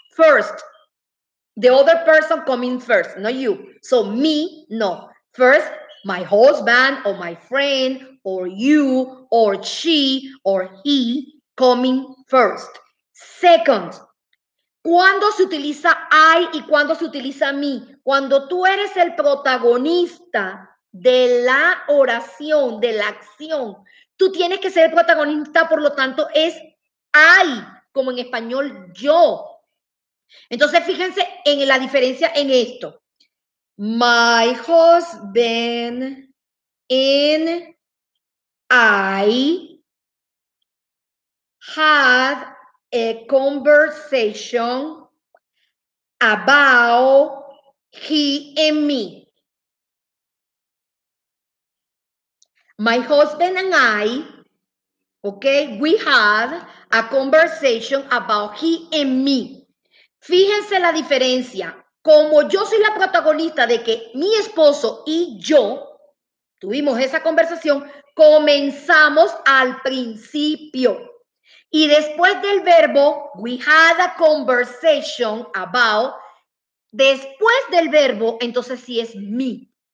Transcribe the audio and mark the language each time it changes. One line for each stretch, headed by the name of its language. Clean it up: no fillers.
English: First, the other person coming first, not you. So me, no. First, my husband or my friend or you or she or he coming first.
Spanish: Second, ¿cuándo se utiliza I y cuándo se utiliza me? Cuando tú eres el protagonista de la oración, de la acción, tú tienes que ser el protagonista, por lo tanto, es I, como en español, yo. Entonces, fíjense en la diferencia en esto.
English: My husband and I had a conversation about he and me. My husband and I, okay, we had a conversation about he and me.
Spanish: Fíjense la diferencia. Como yo soy la protagonista de que mi esposo y yo tuvimos esa conversación, comenzamos al principio. Y después del verbo,
English: we had a conversation about,
Spanish: después del verbo, entonces sí es me.